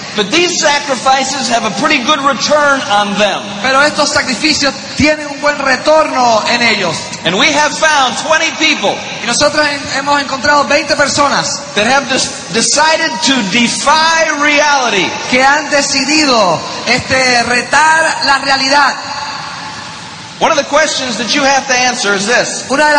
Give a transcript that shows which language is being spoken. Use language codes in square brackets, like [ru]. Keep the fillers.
[en] But these have a good on them. [es] Pero estos sacrificios tienen un buen retorno en ellos. [en] And we have found 20 [es] y nosotros en, hemos encontrado 20 personas. [en] have decided to defy reality. [es] Que han decidido este retar la realidad. [en] One of the questions that you have to answer is this.